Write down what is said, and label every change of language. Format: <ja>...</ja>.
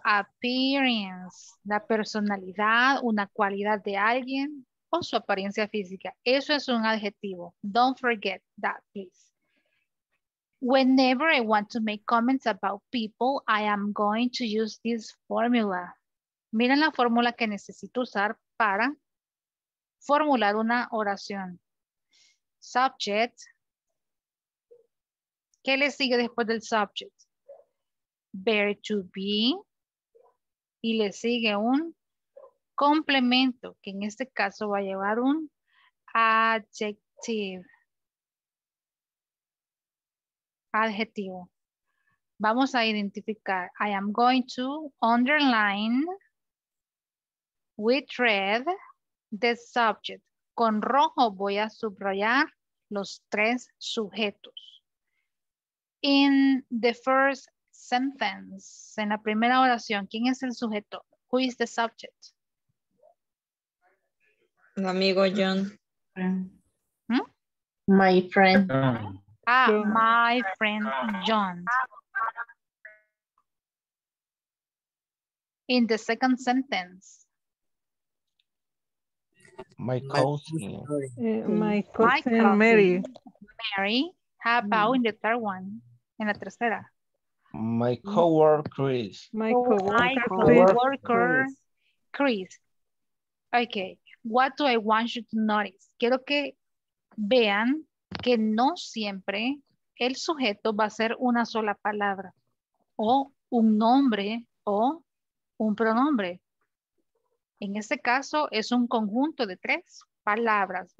<es>appearance, la personalidad, una cualidad de alguien o su apariencia física. Eso es un adjetivo.</es> <en>Don't forget that, please. Whenever I want to make comments about people, I am going to use this formula.</en> <es>Miren la fórmula que necesito usar para formular una oración. Subject. ¿Qué le sigue después del subject? Verb to be. Y le sigue un complemento, que en este caso va a llevar un adjective. Adjetivo. Vamos a identificar.</es> <en>I am going to underline with red the subject.</en> <es>Con rojo voy a subrayar los tres sujetos.</es> <en>In the first sentence,</en> <es>en la primera oración, ¿quién es el sujeto?</es> <en>Who is the subject?</en> <es>Un amigo John. ¿Hm?</es> <en>My friend. Ah, yeah. My friend John. In the second sentence. My cousin Mary. Mary, how about in the third one?</en> <es>En la tercera.</es> <en>My coworker Chris. My coworker Chris. Okay, what do I want you to notice?</en> <es>Quiero que vean que no siempre el sujeto va a ser una sola palabra o un nombre o un pronombre. En este caso es un conjunto de tres palabras.</es>